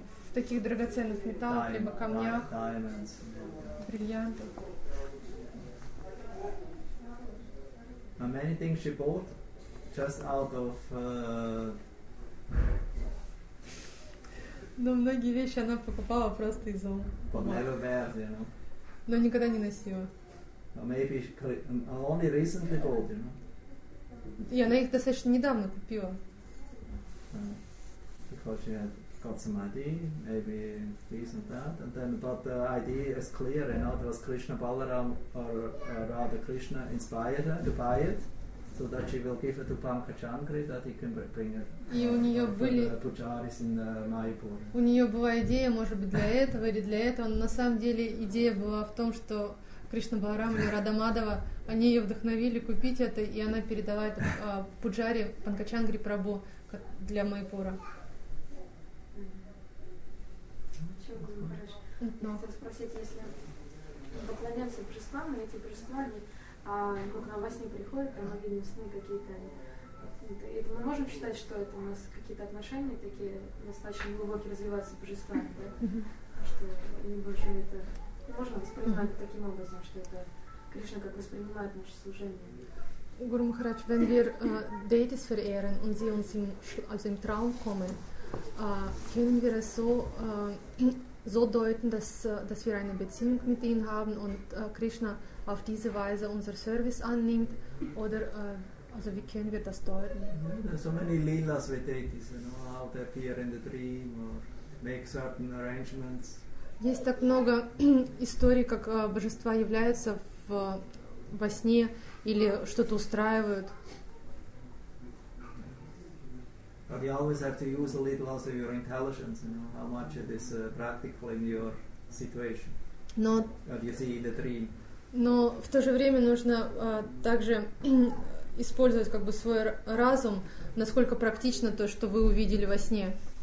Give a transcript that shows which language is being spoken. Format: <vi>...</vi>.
<ru>В таких драгоценных металлах, либо камнях, бриллиантах.</ru> <en>And many things she bought just out of.</en> <ru>Но многие вещи она покупала просто из ума.</ru> <en>But never wears, you know.</en> <ru>Но никогда не носила.</ru> <en>Or maybe only recently bought, you know.</en> <ru>И она их достаточно недавно купила.</ru> <en>Because she had got some idea, maybe this and that, and then but the idea is clear, you know, there was Krishna Balaram or rather Krishna inspired her to buy it, so that she will give it to Pankajangri, that he can bring it.</en> <ru>И у нее были.</ru> <en>The pujaris in Майпур.</en> <ru>У нее была идея, может быть, для этого или для этого, но на самом деле идея была в том, что Кришна Баларама и Радхамадхава, они ее вдохновили купить это, и она передала это пуджари Панкачангри Прабу для Майпура. Хотел спросить, если поклоняться божествам, эти божества, они к нам во сне приходят, там мы видим сны какие-то. Это мы можем считать, что это у нас какие-то отношения такие достаточно глубокие развиваются с божествами, да? Что они больше это.</ru> <de>Guru Maharaj, wenn wir Deities verehren und sie uns also im Traum kommen, können wir es so, so deuten, dass wir eine Beziehung mit ihnen haben und Krishna auf diese Weise unser Service annimmt? Oder also wie können wir das deuten?</de> <en>So many Lilas with Deities, you know, how they appear in the dream or make certain arrangements.</en> <ru>Есть так много историй, как божества являются во сне или что-то устраивают.</ru> <en>But you always have to use a little also your intelligence, you know, how much it is practical in your situation.</en> <ru>Но,</ru> <en>that you see in the dream.</en> <ru>Но в то же время нужно также использовать как бы свой разум, насколько практично то, что вы увидели во сне.</ru>